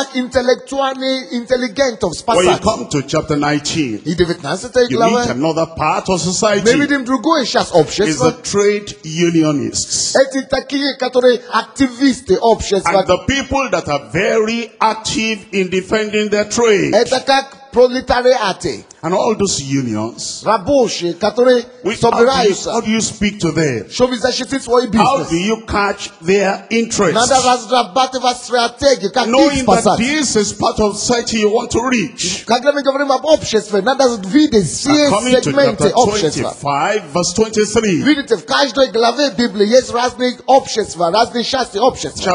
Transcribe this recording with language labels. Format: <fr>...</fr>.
<en>When you come to chapter 19, you meet another part of society. Maybe them do go a shas option. Is the trade unionists. And the people that are very active in defending their trade.</en> <ru>Пролетариате.</ru> <en>And all those unions.</en> <ru>Рабочие, которые собираются.</ru> <en>How do you speak to them? Show me that it's for a business. How do you catch their interest?</en> <ru>Надо разрабатывать ваши стратегии, как</ru> <en>Knowing that this is part of society you want to reach.</en> <ru>Когда мы говорим об обществе, надо видеть все сегменты общества. 25:23. Видите, в каждой главе Библии есть разные общества, разные части общества.</ru>